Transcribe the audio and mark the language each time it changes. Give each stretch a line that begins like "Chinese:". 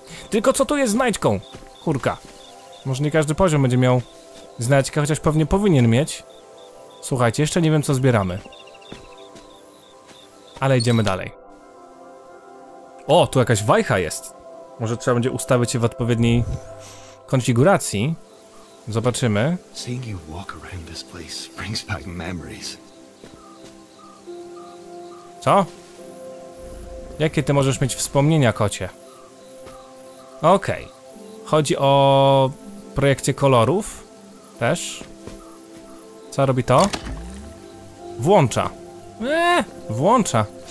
Polish: Tylko co tu jest z znajdźką? Kurka. Może nie każdy poziom będzie miał znajdźkę, chociaż pewnie powinien mieć. Słuchajcie, jeszcze nie wiem, co zbieramy. Ale idziemy dalej. O, tu jakaś wajcha jest. Może trzeba będzie ustawić się w odpowiedniej konfiguracji. Zobaczymy.
English: Seeing you walk around this place brings back memories.
Polish: Co? Jakie ty możesz mieć wspomnienia, kocie? Okej. Chodzi o projekcję kolorów. Też. Co robi to? Włącza. Włącza.